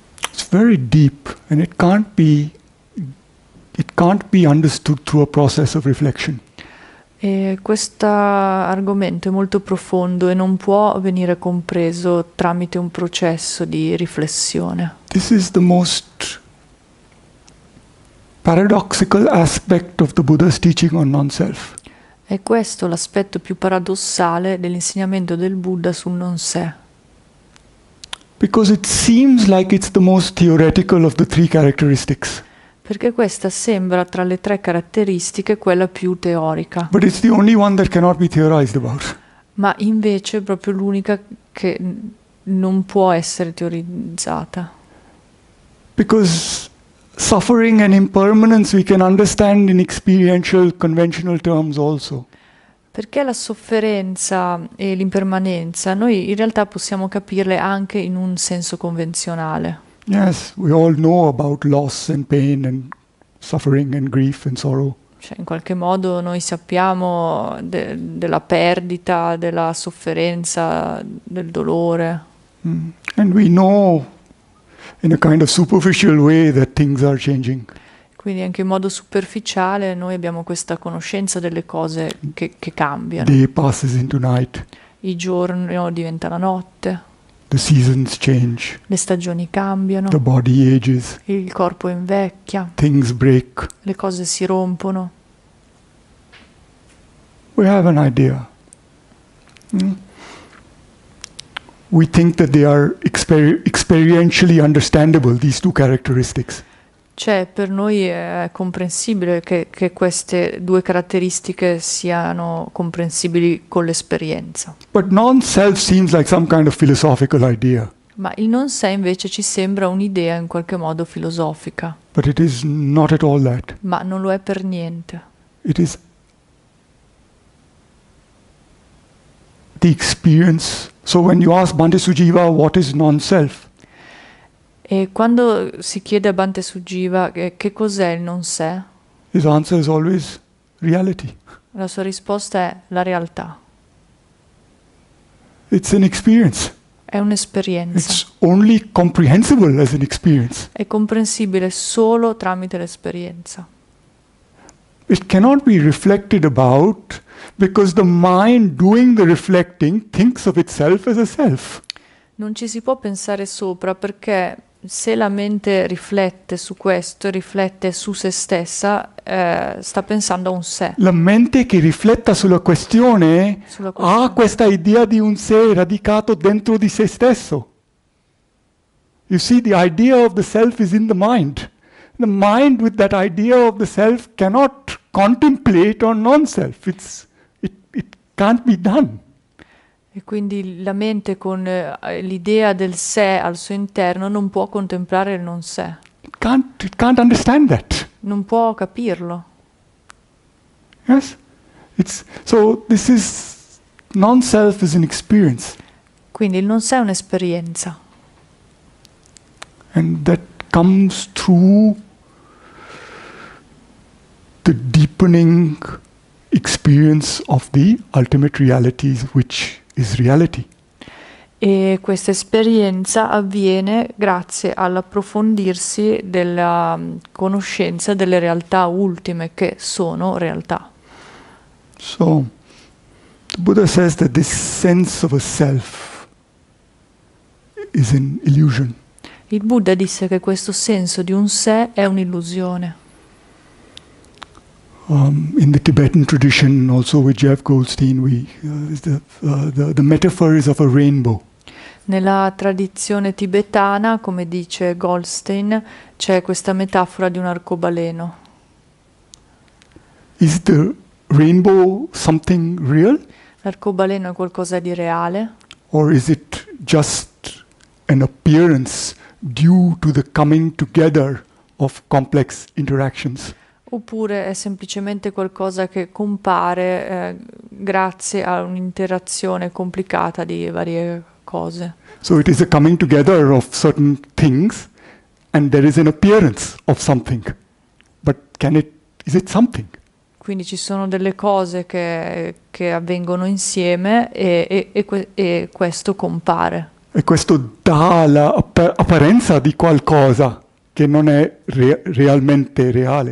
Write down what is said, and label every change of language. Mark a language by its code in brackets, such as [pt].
[en] It's very deep and it can't be understood through a process of reflection. [it] E questo argomento è molto profondo e non può venire compreso tramite un processo di riflessione. [en] This is the most paradoxical aspect of the Buddha's teaching on non-self. [it] E questo è l'aspetto più paradossale dell'insegnamento del Buddha sul non sé. [en] Because it seems like it's the most theoretical of the three characteristics. [it] Perché questa sembra tra le tre caratteristiche quella più teorica. [en] But it's the only one that cannot be theorized about. [it] Ma invece è proprio l'unica che non può essere teorizzata. [en] Because suffering and impermanence we can understand in experiential conventional terms also. [it] Perché la sofferenza e l'impermanenza noi in realtà possiamo capirle anche in un senso convenzionale. [en] Yes, we all know about loss and pain and suffering and grief and sorrow. [it] Cioè, in qualche modo noi sappiamo della perdita, della sofferenza, del dolore. [en] And we know in a kind of superficial way that things are changing. [it] Quindi anche in modo superficiale noi abbiamo questa conoscenza delle cose che [en] Day [it] cambiano. [en] passes into night. [it] I giorni diventa la notte, [en] The seasons change. [it] le stagioni [en] The [it] cambiano, [en] body ages. [it] il corpo invecchia, le [en] Things break. [it] cose si rompono. [en] We have an idea. We think that they are experientially understandable, these two characteristics. [it] Cioè, per noi è comprensibile che queste due caratteristiche siano comprensibili con l'esperienza. [en] But non-self seems like some kind of philosophical idea. [it] Ma il non sé invece ci sembra un'idea in qualche modo filosofica. [en] But it is not at all that. [it] Ma non lo è per niente. [en] It is the experience. So when you ask Bhante Sujiva, what is non-self? [it] E quando si chiede a Bhante Sugiva che cos'è il non sé, [en] His answer is always reality. [it] la sua risposta è la realtà. [en] It's an experience. [it] È un'esperienza. [en] It's only comprehensible as an experience. [it] È comprensibile solo tramite l'esperienza. [en] It cannot be reflected about because the mind doing the reflecting thinks of itself as a self. [it] Non ci si può pensare sopra perché se la mente riflette su questo, riflette su se stessa, sta pensando a un sé. La mente che rifletta sulla questione Sulla ha questione. questa idea di un sé radicato dentro di se stesso. [en] You see, the idea of the self is in the mind. The mind with that idea of the self cannot contemplate on non-self. It can't be done. [it] E quindi la mente con l'idea del sé al suo interno non può contemplare il non sé. [en] It can't understand that. [it] Non può capirlo. [en] Yes? So this is non-self is an experience. [it] Quindi il non sé è un'esperienza. [en] And that comes through the deepening experience of the ultimate reality, which is reality. [it] E questa esperienza avviene grazie all'approfondirsi della conoscenza delle realtà ultime che sono realtà. [en] So, the Buddha says that this sense of a self is an illusion. [it] Il Buddha disse che questo senso di un sé è un'illusione. [en] In the Tibetan tradition, also with Jeff Goldstein, the metaphor is of a rainbow. [it] Nella tradizione tibetana, come dice Goldstein, c'è questa metafora di un arcobaleno. [en] Is the rainbow something real? [it] L'arcobaleno è qualcosa di reale? [en] Or is it just an appearance due to the coming together of complex interactions? [it] Oppure è semplicemente qualcosa che compare, grazie a un'interazione complicata di varie cose? [en] So it is a coming together of certain things, and there is an appearance of something. But is it something? [it] Quindi ci sono delle cose che avvengono insieme e questo compare. E questo dà l'apparenza di qualcosa che non è realmente reale.